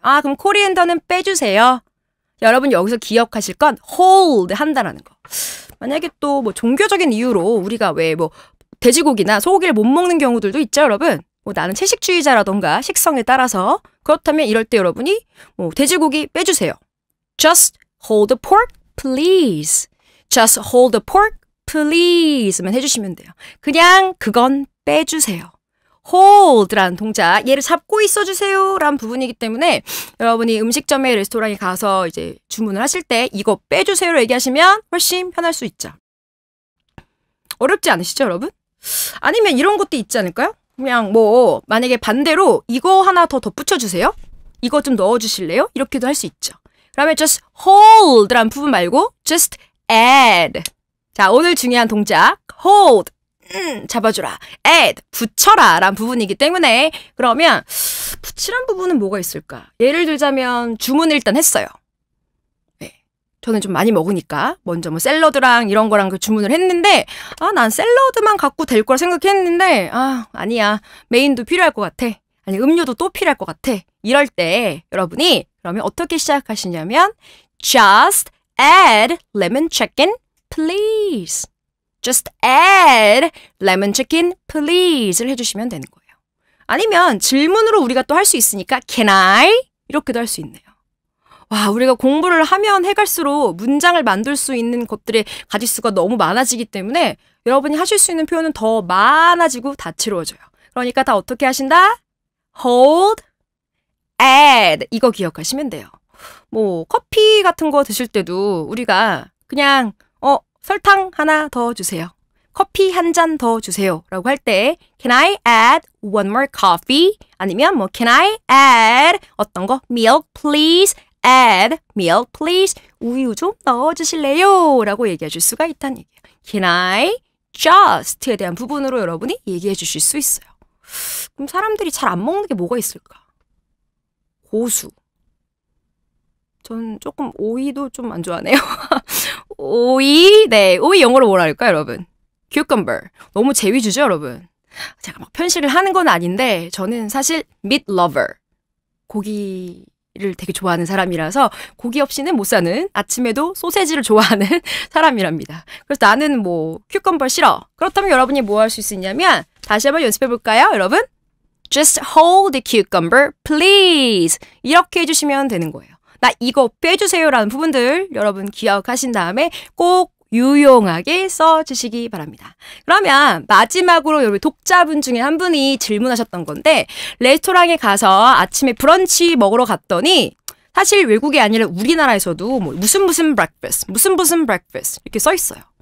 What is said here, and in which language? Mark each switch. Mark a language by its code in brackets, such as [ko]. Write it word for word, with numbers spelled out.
[ko] 아, 그럼 코리앤더는 빼주세요. 여러분 여기서 기억하실 건 hold 한다라는 거. 만약에 또 뭐 종교적인 이유로 우리가 왜 뭐 돼지고기나 소고기를 못 먹는 경우들도 있죠, 여러분. 뭐 나는 채식주의자라던가 식성에 따라서 그렇다면 이럴 때 여러분이 뭐 돼지고기 빼주세요. [en] Just hold the pork, please. Just hold the pork, please만 [ko] 해주시면 돼요. 그냥 그건 빼주세요. hold라는 동작, 얘를 잡고 있어주세요 라는 부분이기 때문에 여러분이 음식점에 레스토랑에 가서 이제 주문을 하실 때 이거 빼주세요로 얘기하시면 훨씬 편할 수 있죠. 어렵지 않으시죠, 여러분? 아니면 이런 것도 있지 않을까요? 그냥 뭐 만약에 반대로 이거 하나 더 덧붙여주세요, 이거 좀 넣어주실래요? 이렇게도 할 수 있죠. 그러면 just hold라는 부분 말고 just add. 자, 오늘 중요한 동작 hold, 음, 잡아주라, add, 붙여라 라는 부분이기 때문에 그러면 붙이란 부분은 뭐가 있을까? 예를 들자면 주문을 일단 했어요. 저는 좀 많이 먹으니까 먼저 뭐 샐러드랑 이런 거랑 그 주문을 했는데 아, 난 샐러드만 갖고 될 거라 생각했는데 아, 아니야, 메인도 필요할 것 같아, 아니 음료도 또 필요할 것 같아. 이럴 때 여러분이 그러면 어떻게 시작하시냐면 [en] just add lemon chicken please. just add lemon chicken please를 [ko] 해주시면 되는 거예요. 아니면 질문으로 우리가 또 할 수 있으니까 [en] Can I? [ko] 이렇게도 할 수 있네요. 와, 우리가 공부를 하면 해갈수록 문장을 만들 수 있는 것들의 가짓수가 너무 많아지기 때문에 여러분이 하실 수 있는 표현은 더 많아지고 다채로워져요. 그러니까 다 어떻게 하신다? Hold, add 이거 기억하시면 돼요. 뭐 커피 같은 거 드실 때도 우리가 그냥 어 설탕 하나 더 주세요. 커피 한 잔 더 주세요 라고 할 때 [en] Can I add one more coffee? [ko] 아니면 뭐 [en] Can I add [ko] 어떤 거? [en] Milk please, add milk please. [ko] 우유 좀 넣어주실래요? 라고 얘기해 줄 수가 있다는 얘기예요. [en] Can I just [ko] 에 대한 부분으로 여러분이 얘기해 주실 수 있어요. 그럼 사람들이 잘 안 먹는 게 뭐가 있을까? 고수. 전 조금 오이도 좀 안 좋아하네요. 오이, 네, 오이 영어로 뭐라 할까요, 여러분? cucumber. 너무 제위주죠, 여러분? 제가 막 편식을 하는 건 아닌데 저는 사실 meat lover. 고기를 되게 좋아하는 사람이라서 고기 없이는 못 사는, 아침에도 소세지를 좋아하는 사람이랍니다. 그래서 나는 뭐 cucumber 싫어. 그렇다면 여러분이 뭐 할 수 있었냐면 다시 한번 연습해 볼까요, 여러분? [en] Just hold the cucumber, please. [ko] 이렇게 해주시면 되는 거예요. 나 이거 빼주세요라는 부분들 여러분 기억하신 다음에 꼭 유용하게 써주시기 바랍니다. 그러면 마지막으로 여기 독자분 중에 한 분이 질문하셨던 건데 레스토랑에 가서 아침에 브런치 먹으러 갔더니 사실 외국이 아니라 우리나라에서도 뭐 무슨 무슨 breakfast, 무슨 무슨 breakfast 이렇게 써 있어요.